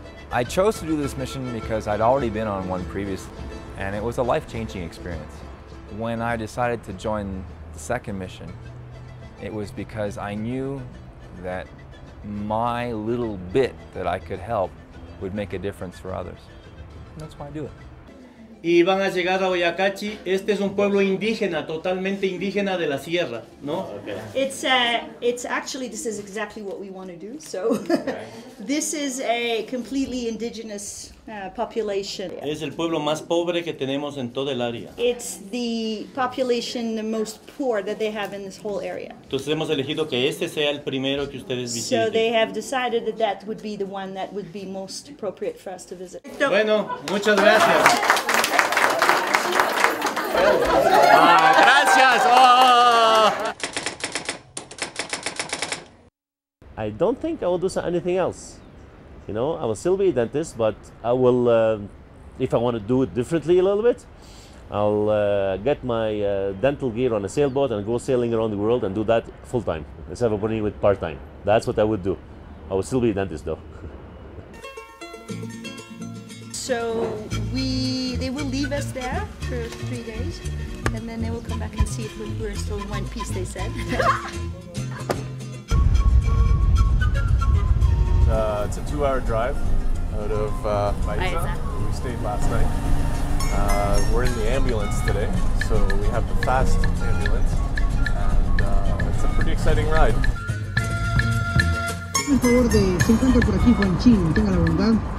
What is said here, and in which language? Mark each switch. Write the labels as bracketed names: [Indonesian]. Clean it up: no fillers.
[English] I chose to do this mission because I'd already been on one previously, and it was a life-changing experience. When I decided to join the second mission, it was because I knew that my little bit that I could help would make a difference for others. And that's why I do it. [Spanish] Y van a llegar a Oyacachi. Este es un pueblo indígena, totalmente indígena de la sierra, ¿no? [English] Okay. This is exactly what we want to do. So, this is a completely indigenous population. [Spanish] Es el pueblo más pobre que tenemos en todo el área. [English] It's the population the most poor that they have in this whole area. [Spanish] Entonces hemos elegido que este sea el primero que ustedes visiten. [English] So they have decided that that would be the one that would be most appropriate for us to visit. [Spanish] Bueno, muchas gracias. Gracias. [English] I don't think I will do anything else. You know, I will still be a dentist, but I will, if I want to do it differently a little bit, I'll get my dental gear on a sailboat and go sailing around the world and do that full time instead of opening with part time. That's what I would do. I will still be a dentist though. So they will leave us there for 3 days, and then they will come back and see if we're still in one piece, they said. It's a 2-hour drive out of Baeza. We stayed last night. We're in the ambulance today, so we have the fast ambulance, and it's a pretty exciting ride. [Spanish] Por favor, se encuentra por aquí Juan Chin, tenga la bondad.